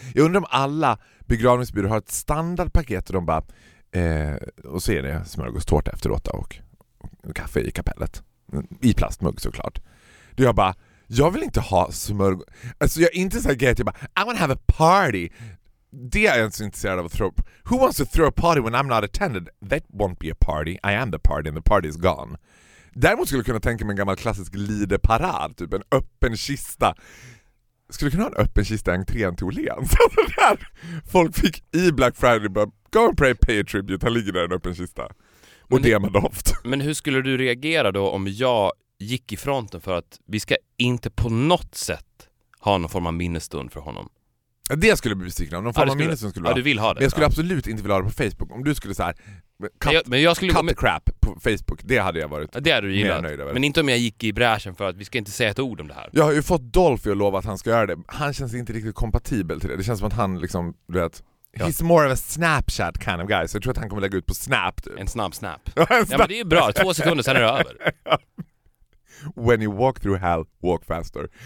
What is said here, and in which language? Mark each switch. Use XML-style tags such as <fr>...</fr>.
<sv>Jag undrar om alla begravningsbyråer har ett standardpaket och de bara, och så är det smörgåstårta efteråt och kaffe i kapellet. I plastmugg såklart. Då jag bara, jag vill inte ha smörgås. Alltså jag är inte så här grej att jag bara,</sv> <en>I want to have a party.</en> <sv>Det är jag inte så intresserad av att throw.</sv> <en>Who wants to throw a party when I'm not attended? That won't be a party. I am the party and the party is gone.</en> <sv>Däremot skulle jag kunna tänka mig en gammal klassisk lideparad, typ en öppen kista. Skulle du kunna ha en öppen kista i entrén till Åhléns? Folk fick i Black Friday bara,</sv> <en>go and pray, pay a tribute.</en> <sv>Han ligger där i en öppen kista. Och det med doft. Men hur skulle du reagera då om jag gick i fronten för att vi ska inte på något sätt ha någon form av minnesstund för honom? Det skulle bli besviken om. Någon form av minnesstund skulle du ha. Ja, du vill ha det. Men jag skulle absolut inte vilja ha det på Facebook. Om du skulle så här,</sv> <en>cut the crap</en> <sv>på Facebook, det hade jag varit mer nöjd över. Men inte om jag gick i bräschen för att vi ska inte säga ett ord om det här. Jag har ju fått Dolphy att lova att han ska göra det. Han känns inte riktigt kompatibel till det. Det känns som att han liksom, du vet,</sv> <en>he's more of a Snapchat kind of guy.</en> <sv>Så jag tror att han kommer lägga ut på Snap typ. En snabb snap. Ja, men det är ju bra, 2 sekunder sen är det över.</sv> <en>When you walk through hell, walk faster.</en>